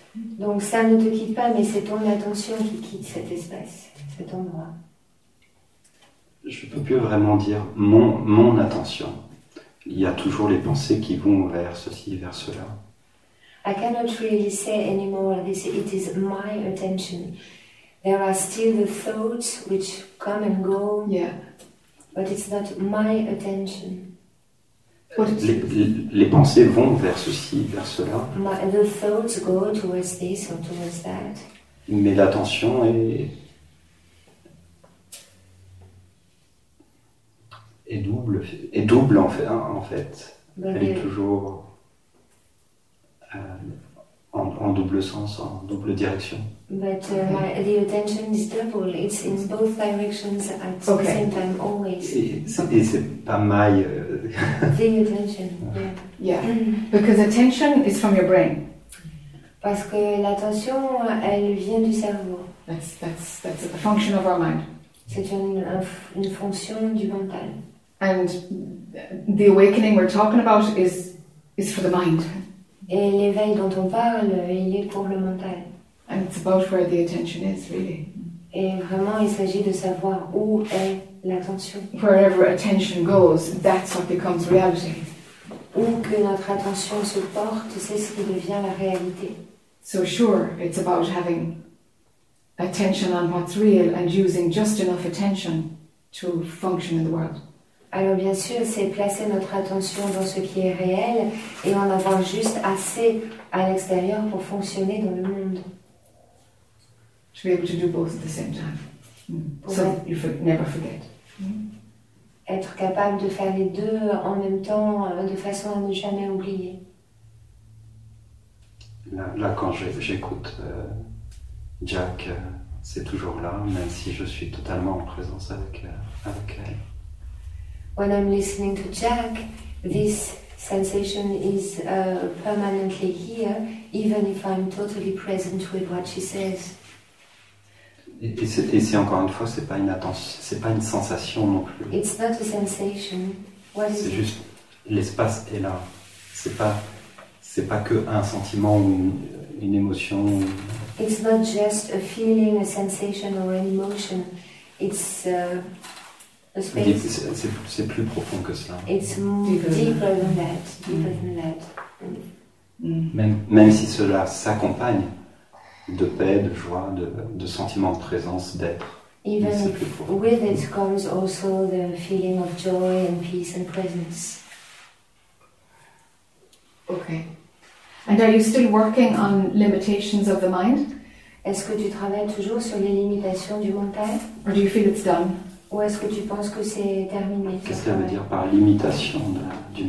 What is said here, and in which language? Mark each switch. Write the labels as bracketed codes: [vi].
[fr] Donc ça ne te quitte pas, mais c'est ton attention qui quitte cet espace, cet endroit. Je ne peux plus vraiment dire mon attention. Il y a toujours les pensées qui vont vers ceci, vers cela. [en] I cannot really say anymore this, it is my attention. There are still the thoughts which come and go, yeah. But it's not my attention. [fr] Les pensées vont vers ceci, vers cela. [en] The thoughts go towards this or towards that. [fr] Mais l'attention est double en fait. Elle est toujours en double sens, en double direction. [en] But the attention is double. It's in both directions at the same time, always. [fr] Et c'est pas [en] my. The attention. Yeah. Because attention is from your brain. [fr] Parce que l'attention, elle vient du cerveau. [en] That's a function of our mind. [fr] C'est une fonction du mental. [en] And the awakening we're talking about is for the mind. [fr] Et l'éveil dont on parle, il est pour le mental. [en] And it's about where the attention is, really. [fr] Et vraiment, il s'agit de savoir où est l'attention. [en] Wherever attention goes, that's what becomes reality. [fr] Où que notre attention se porte, c'est ce qui devient la réalité. [en] So sure, it's about having attention on what's real and using just enough attention to function in the world. [fr] Alors bien sûr, c'est placer notre attention dans ce qui est réel et en avoir juste assez à l'extérieur pour fonctionner dans le monde. [en] To be able to do both at the same time. So you never forget. [fr] Être capable de faire les deux en même temps, de façon à ne jamais oublier. Là quand j'écoute Jack, c'est toujours là, même si je suis totalement en présence avec elle. [en] When I'm listening to Jack, this sensation is permanently here, even if I'm totally present with what she says. [fr] Et c'est encore une fois, c'est pas une attention, c'est pas une sensation non plus. [en] It's not a sensation. What is [fr] c'est [en] it? [fr] Juste l'espace est là. C'est pas que un sentiment ou une émotion. [en] It's not just a feeling, a sensation or an emotion. It's a space. [fr] C'est plus profond que cela. [en] It's deeper than that. Deeper than that. [fr] Même si cela s'accompagne de paix, de joie, de sentiments de présence, d'être. [en] Even with it comes also the feeling of joy and peace and presence. Okay. And are you still working on limitations of the mind? [fr] Est-ce que tu travailles toujours sur les limitations du mental? [en] Or do you feel it's done? [fr] Ou est-ce que tu penses que c'est terminé? Qu'est-ce que ça veut dire par limitation du mental?